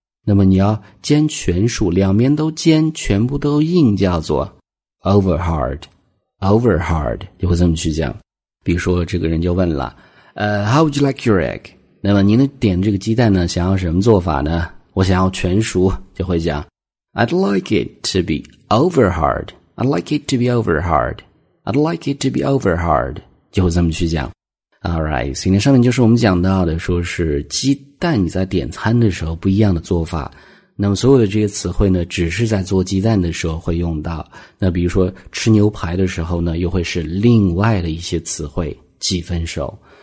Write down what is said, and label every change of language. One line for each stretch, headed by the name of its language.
Chinese: 那么你要煎全熟，两面都煎，全部都硬，叫做 over hard over hard， 就会这么去讲。比如说这个人就问了
English: how would you like your egg，
Chinese: 那么您点这个鸡蛋呢想要什么做法呢？我想要全熟，就会讲
English: I'd like it to be over hard. I'd like it to be over hard. I'd like it to be over hard.
Chinese: 就会这么去讲。 Alright, 所以上面就是我们讲到的说是鸡蛋你在点餐的时候不一样的做法。那么所有的这些词汇呢只是在做鸡蛋的时候会用到。那比如说吃牛排的时候呢又会是另外的一些词汇几分熟。